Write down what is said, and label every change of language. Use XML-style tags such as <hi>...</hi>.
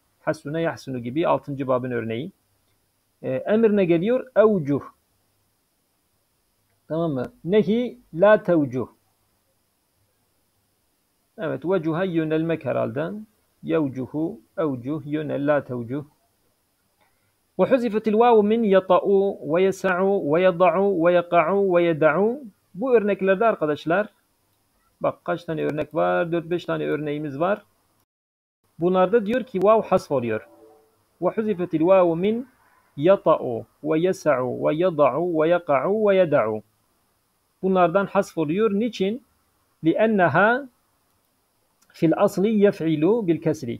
<tr>Hasune yahsunu gibi 6. babın örneği. Emir ne geliyor? Evcuh. Tamam mı? Nehi la tevcuh. Evet, vecuha yönelmek herhalde. Yevcuhu, evcuh, yönel, la tevcuh.</tr> <ar>وحذفت الواو من يطأ ويسع ويضع ويقع ويدع.</ar> <tr>Bu örneklerde arkadaşlar bak kaç tane örnek var? 4-5 tane örneğimiz var. Bunlarda diyor ki vav hasf oluyor.</tr> <ar>وحذفت الواو من يطأ ويسع ويضع ويقع ويدع.</ar> <tr>Bunlardan hasf oluyor. Niçin?</tr> <ar>لأنها في الأصل يفعل بالكسر.</ar>